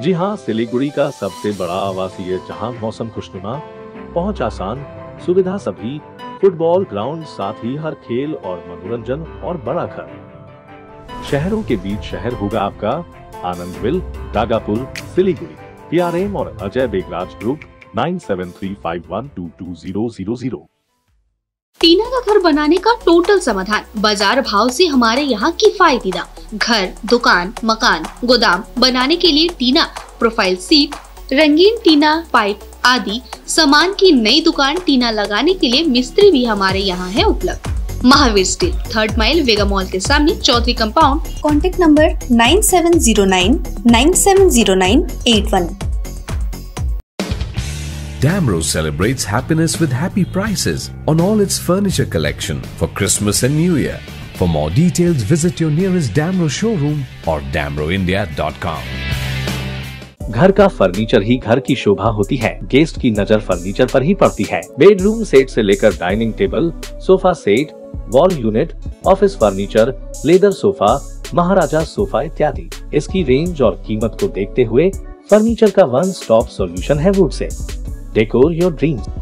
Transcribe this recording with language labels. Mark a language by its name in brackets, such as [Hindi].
[Hindi] जी हाँ, सिलीगुड़ी का सबसे बड़ा आवासीय, जहाँ मौसम खुशनुमा, पहुँच आसान, सुविधा सभी, फुटबॉल ग्राउंड साथ ही हर खेल और मनोरंजन और बड़ा घर। शहरों के बीच शहर होगा आपका आनंद विल, डागापुर, सिलीगुड़ी। PRM और अजय बेगराज ग्रुप, 9735122000। टीना का घर बनाने का टोटल समाधान बाजार भाव से हमारे यहाँ किफायती दाम। घर, दुकान, मकान, गोदाम बनाने के लिए टीना, प्रोफाइल सीट, रंगीन टीना पाइप आदि सामान की नई दुकान टीना लगाने के लिए मिस्त्री भी हमारे यहाँ है उपलब्ध। महावीर स्टील, थर्ड माइल वेगा मॉल के सामने, Chaudhary compound. Contact number 9709970981। [English] Damro celebrates happiness with happy prices on all its furniture collection for Christmas and new year. For more details visit your nearest Damro showroom और damroindia.com। [Hindi] घर का फर्नीचर ही घर की शोभा होती है। Guest की नजर फर्नीचर पर ही पड़ती है। बेडरूम सेट से लेकर dining table, sofa set, wall unit, office furniture, leather sofa, महाराजा सोफा इत्यादि। इसकी रेंज और कीमत को देखते हुए फर्नीचर का वन स्टॉप सॉल्यूशन है would say. [English] Decor your dream.